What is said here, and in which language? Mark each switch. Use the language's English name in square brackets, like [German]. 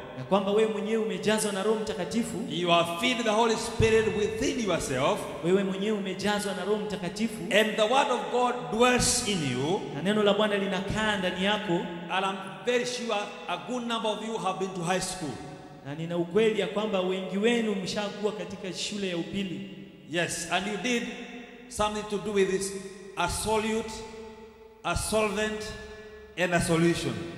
[Swahili] kwamba wewe mwenyewe umejazwa na Roho Mtakatifu. [English] You are filled the Holy Spirit within yourself. [Swahili] Wewe mwenyewe umejazwa na Roho Mtakatifu. [English] And the word of God dwells in you. [Swahili] Na neno la Bwana linakaa ndani yako. [English] And I'm very sure a good number of you have been to high school. [Swahili] Na nina ukweli ya kwamba wengi wenu mshakuwa katika shule ya upili. [English] Yes, and you did something to do with this, a solute, a solvent, and a solution.